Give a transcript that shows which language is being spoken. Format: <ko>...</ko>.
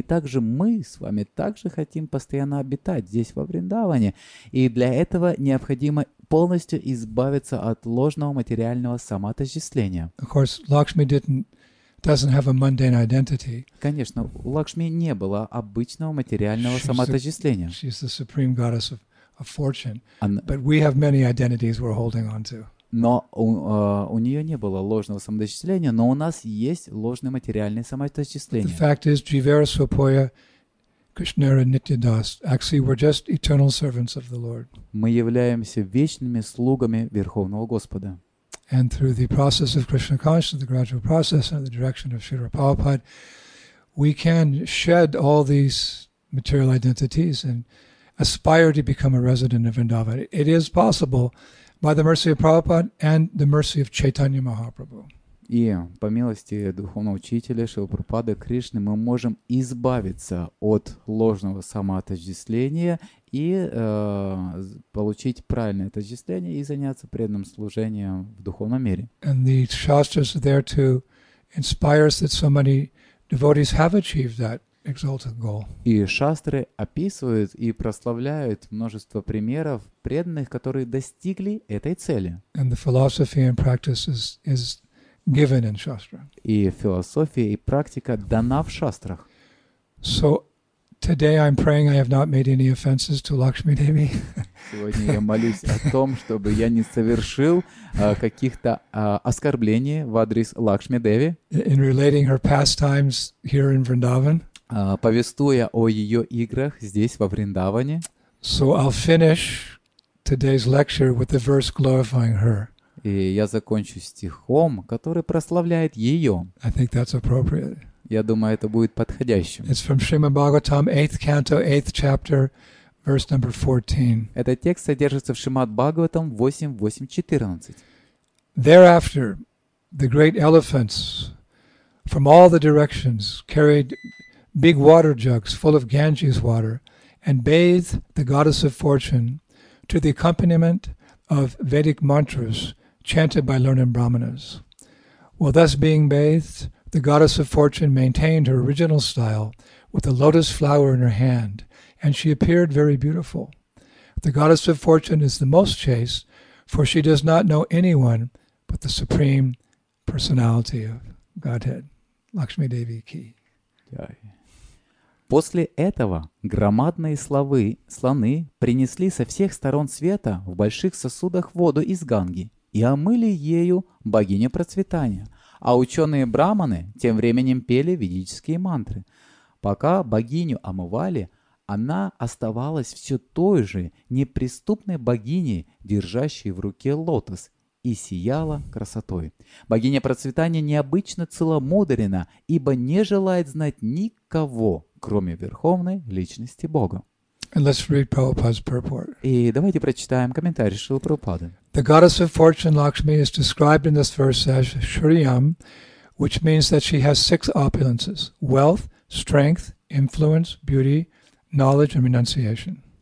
<ru>И также мы с вами также хотим постоянно обитать здесь во Вриндаване. И для этого необходимо полностью избавиться от ложного материального самоотождествления.</ru> <en>Of course, Lakshmi doesn't have a mundane identity.</en> <ru>Конечно, у Лакшми не было обычного материального самоотождествления.</ru> <en>She's the supreme goddess of fortune. But we have many identities we're holding on to.</en> <ru>Но у нее не было ложного самоотождествления, но у нас есть ложное материальное самоотождествление.</ru> <en>The fact is,</en> <bn>Jivara Swapoya, Krishnara Nityadas,</bn> <en>actually, we're just eternal servants of the Lord.</en> <ru>Мы являемся вечными слугами Верховного Господа.</ru> <en>And through the process of Krishna consciousness, the gradual process under the direction of Srila Prabhupada, we can shed all these material identities and aspire to become a resident of Vrindavan. It is possible by the mercy of Prabhupada and the mercy of Chaitanya Mahaprabhu.</en> <ru>И по милости духовного учителя Шрилы Прабхупады Кришны мы можем избавиться от ложного самоотождествления и получить правильное отождествление и заняться преданным служением в духовном мире.</ru> <en>And the shastras are there to inspire us that so many devotees have achieved that exalted goal.</en> <ru>И шастры описывают и прославляют множество примеров преданных, которые достигли этой цели.</ru> <en>And the philosophy and practice is given in shastra.</en> <ru>И философия и практика дана в шастрах.</ru> <en>So today I'm praying I have not made any offenses to Lakshmi Devi.</en> <ru>Сегодня я молюсь о том, чтобы я не совершил каких-то оскорблений в адрес Лакшми Деви.</ru> <en>In relating her pastimes here in Vrindavan.</en> <ru>Повествуя о ее играх здесь во Вриндаване.</ru> <en>So I'll finish today's lecture with the verse glorifying her.</en> <ru>И я закончу стихом, который прославляет ее.</ru> <en>I think that's appropriate.</en> <ru>Я думаю, это будет подходящим.</ru> <en>It's from Srimad Bhagavatam, 8th canto, 8th chapter, verse number 14.</en> <ru>Этот текст содержится в Шримад Бхагаватам 8.8.14.</ru> <en>Thereafter, the great elephants from all the directions carried big water jugs full of Ganges water and bathed the goddess of fortune to the accompaniment of Vedic mantras chanted by learned brahmanas. While thus being bathed, the goddess of fortune maintained her original style with a lotus flower in her hand, and she appeared very beautiful. The goddess of fortune is the most chaste, for she does not know anyone but the supreme personality of Godhead, Lakshmi Devi Ki.</en> <ru>После этого громадные слоны принесли со всех сторон света в больших сосудах воду из Ганги и омыли ею богиню процветания. А ученые-браманы тем временем пели ведические мантры. Пока богиню омывали, она оставалась все той же неприступной богиней, держащей в руке лотос, и сияла красотой. Богиня процветания необычно целомудрена, ибо не желает знать никого, кроме верховной личности Бога.</ru> <en>And let's read Prabhupada's purport.</en> <ru>И давайте прочитаем комментарий Шрилы Прабхупады.</ru> <en>The goddess of fortune Lakshmi is described in this verse as Shriyam, which means that she has six opulences: wealth, strength, influence, beauty, knowledge and renunciation.</en>